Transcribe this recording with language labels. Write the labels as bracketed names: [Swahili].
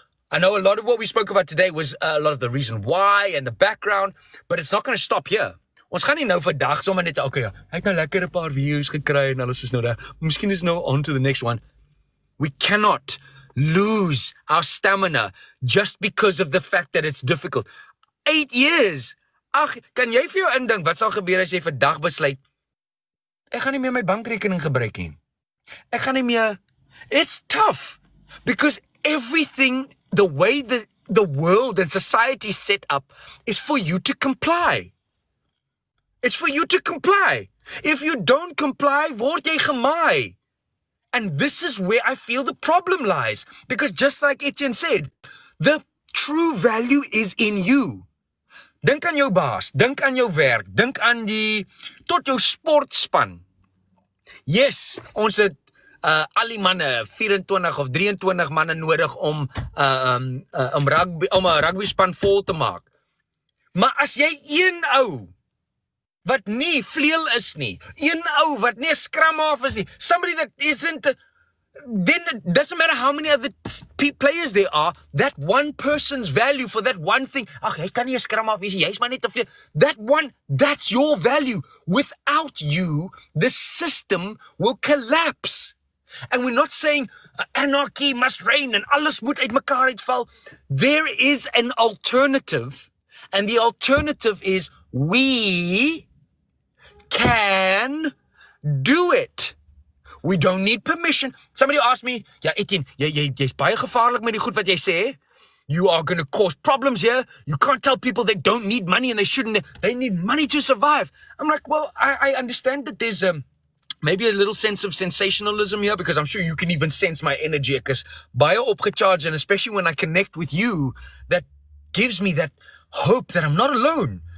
[English] I know a lot of what we spoke about today was a lot of the reason why and the background, but it's not going to stop here. [Afrikaans] Ons gaan nie nou vandag sommer net, okay, ja, ek het nou lekker 'n paar views gekry en alles is nou daar. Miskien is nou [English] on to the next one. We cannot lose our stamina just because of the fact that it's difficult. 8 years! [Afrikaans] Ag, kan jy vir jou indink wat sal gebeur as jy vandag besluit, ek gaan nie meer my bankrekening gebruik nie. Ek gaan nie meer... [English] It's tough! Because everything, the way the world and society set up, is for you to comply. It's for you to comply. If you don't comply, [Afrikaans] word jy gemaai. [English] And this is where I feel the problem lies. Because just like Etienne said, the true value is in you. [Afrikaans] Dink aan jou baas, dink aan jou werk, dink aan die, tot jou sportspan. Yes, ons het al die manne, 24 of 23 manne nodig om een rugby span vol te maak. Maar as jy een ou wat nie vleel is nie, een ou wat nie scrum half is nie, [English] somebody that isn't, then it doesn't matter how many other players there are, that one person's value for that one thing, [Afrikaans] ach, hy kan nie scrum half is nie, hy is maar nie te vleel, [English] that one, that's your value. Without you, the system will collapse. And we're not saying anarchy must reign and [Afrikaans] alles moet uit mekaar uitval. [English] There is an alternative, and the alternative is we can do it. We don't need permission. Somebody asked me, [Afrikaans] ja, Etienne, jy's baie gevaarlik met die goed wat jy sê. [English] You are going to cause problems here. You can't tell people they don't need money and they shouldn't. They need money to survive. I'm like, well, I understand that there's maybe a little sense of sensationalism here, because I'm sure you can even sense my energy, because [Afrikaans] baie opgecharged, [English] and especially when I connect with you, that gives me that hope that I'm not alone.